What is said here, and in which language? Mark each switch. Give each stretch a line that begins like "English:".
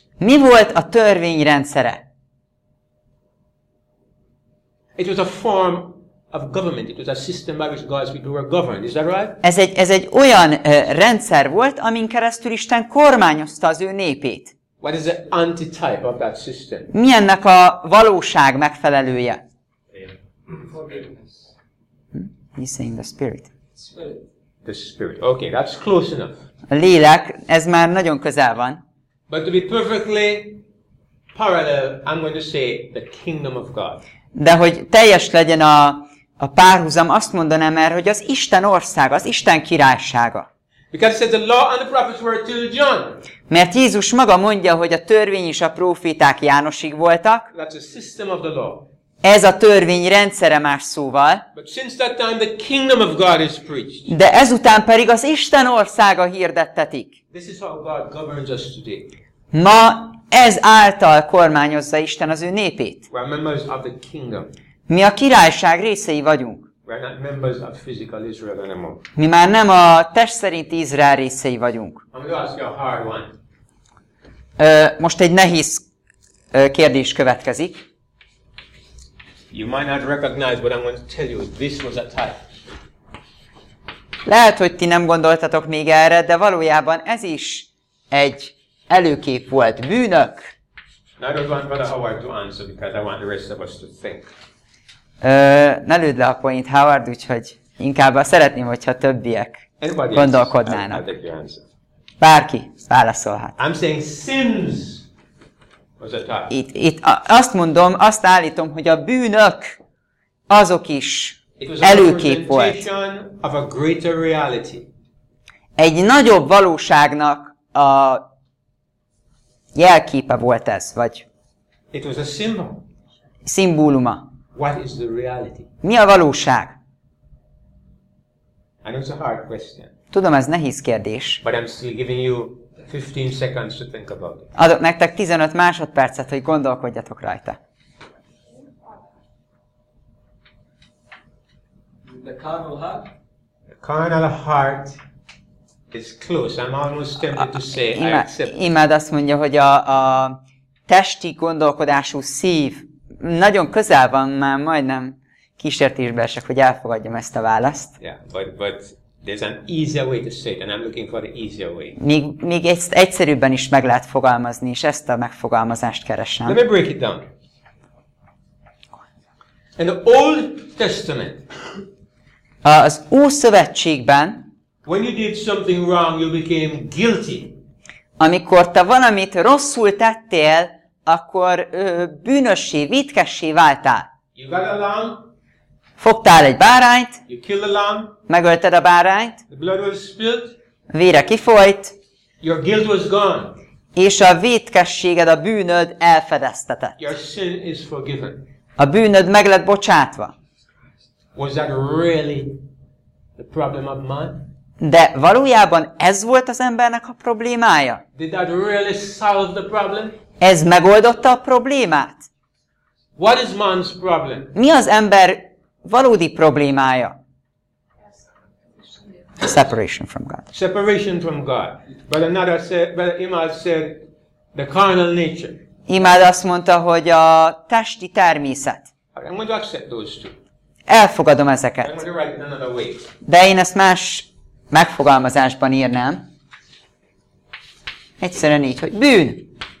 Hungarian: Mi volt a törvény rendszere?
English: It was a form of government. It was a system by which God's people were governed. Is that right?
Hungarian: Ez egy olyan rendszer volt, amin keresztül Isten kormányozta az ő népét.
English: What is the antitype of that system?
Hungarian: Mi ennek a valóság megfelelője?
English: Forgiveness. He's saying the spirit. The spirit. Okay, that's close enough.
Hungarian: A lélek, ez már nagyon közel van.
English: But to be perfectly parallel, I'm going to say the kingdom of God.
Hungarian: De hogy teljes legyen a párhuzam, azt mondanám erre, hogy az Isten országa, az Isten királysága.
English: Because it says the law and the prophets were till John.
Hungarian: Mert Jézus maga mondja, hogy a törvény és a proféták Jánosig voltak.
English: That's a system of the law.
Hungarian: Ez a törvény rendszere, más szóval.
English: But since that time the kingdom of God is preached.
Hungarian: De ezután pedig az Isten országa hirdettetik.
English: This is how God governs us today.
Hungarian: Ma ez által kormányozza Isten az ő népét.
English: We are members of the kingdom.
Hungarian: Mi a királyság részei vagyunk.
English: We're not members of physical Israel anymore.
Hungarian: Mi már nem a test szerint Izrael részei vagyunk.
English: I'm going to ask you a hard one.
Hungarian: Most egy nehéz kérdés következik.
English: You might not recognize, but I'm going to tell you, this was a type.
Hungarian: Lehet, hogy ti nem gondoltatok még erre, de valójában ez is egy előkép volt. Bűnök.
English: I don't want Brother Howard to answer, because I want the rest of us to think.
Hungarian: Ne lőd le a point, Howard, úgyhogy inkább szeretném, hogyha többiek
English: anybody
Hungarian: gondolkodnának. Bárki válaszolhat.
English: I'm saying sins
Hungarian: Itt azt mondom, azt állítom, hogy a bűnök azok is előkép volt.
English: Of a greater reality.
Hungarian: Egy nagyobb valóságnak a jelképe volt ez, vagy
English: it was a symbol.
Hungarian: Szimbóluma.
English: What is the reality?
Hungarian: Mi a valóság?
English: I know it's a hard question.
Hungarian: Tudom, ez nehéz kérdés.
English: But I'm still giving you 15 seconds to think about it.
Hungarian: Adok nektek 15 másodpercet, hogy gondolkodjatok rajta.
English: The carnal heart. The carnal heart is close. I'm almost tempted to say I accept.
Hungarian: Imád azt mondja, hogy a testi gondolkodású szív nagyon közel van, már majdnem kísértésbe esek, hogy elfogadjam ezt a választ.
English: Yeah, but there's an easier way to say it, and I'm looking for the easier way.
Hungarian: Még egyszerűbben is meg lehet fogalmazni, és ezt a megfogalmazást keresem.
English: Let me break it down. In the Old Testament,
Hungarian: az Ószövetségben,
English: when you did something wrong, you became guilty.
Hungarian: Amikor te valamit rosszul tettél, akkor bűnössé, vétkessé váltál.
English: You got a lamb.
Hungarian: Fogtál egy bárányt.
English: You killed a lamb.
Hungarian: Megölted a bárányt.
English: The blood was spilled.
Hungarian: Vére kifolyt.
English: Your guilt was gone.
Hungarian: És a vétkességed, a bűnöd elfedeztetett.
English: Your sin is forgiven.
Hungarian: A bűnöd meg lett bocsátva.
English: Was that really the problem of man?
Hungarian: De valójában ez volt az embernek a problémája?
English: Did that really solve the problem?
Hungarian: Ez megoldotta a problémát?
English: What is man's problem?
Hungarian: Mi az ember valódi problémája?
English: Separation from God. Separation from God. But another said, but Imad said, the carnal nature.
Hungarian: Imad azt mondta, hogy a testi természet.
English: I'm going to accept those two.
Hungarian: Elfogadom ezeket.
English: I'm going to write it another way.
Hungarian: De én ezt más megfogalmazásban írnám. Egyszerűen így, hogy bűn.